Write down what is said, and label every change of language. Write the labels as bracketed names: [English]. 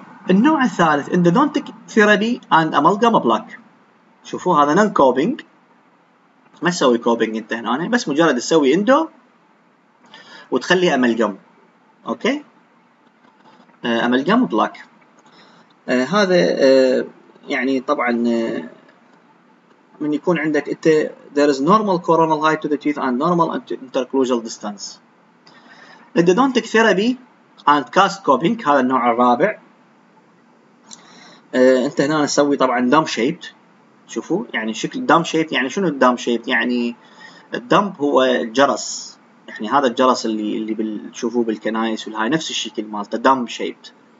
[Arabic] النوع الثالث [English] endodontic therapy and amalgam block, [Arabic] شوفوا هذا نون كوبينج، ما تسوي كوبينج انت هنا، بس مجرد تسوي اندو وتخلي امالجام. اوكي، امالجام بلاك هذا يعني طبعا من يكون عندك انت [English] there is normal coronal height to the teeth and normal interclusal distance. endodontic therapy and cast coping [Arabic] هذا النوع الرابع، انت هنا تسوي طبعا dumb shaped، شوفوا يعني شكل dumb shaped، يعني شنو dumb shaped؟ يعني الدمب هو الجرس، يعني هذا الجرس اللي بتشوفوه بالكنائس والهاي نفس الشكل مالته dumb shaped.